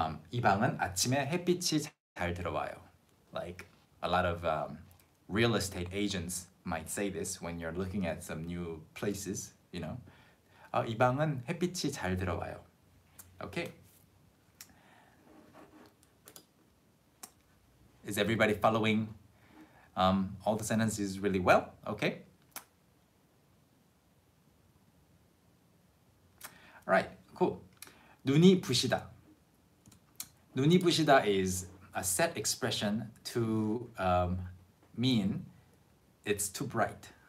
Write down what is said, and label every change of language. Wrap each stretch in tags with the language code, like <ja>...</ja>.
<ko>이 방은 아침에 햇빛이 잘 들어와요.</ko> <en>Like a lot of real estate agents might say this when you're looking at some new places, you know.</en> <ko>이 방은 햇빛이 잘 들어와요.</ko> <en>Okay. Is everybody following all the sentences really well? Okay. Alright, cool.</en> <ko>눈이 부시다. 눈이 부시다</ko> <en>is a set expression to mean it's too bright.</en>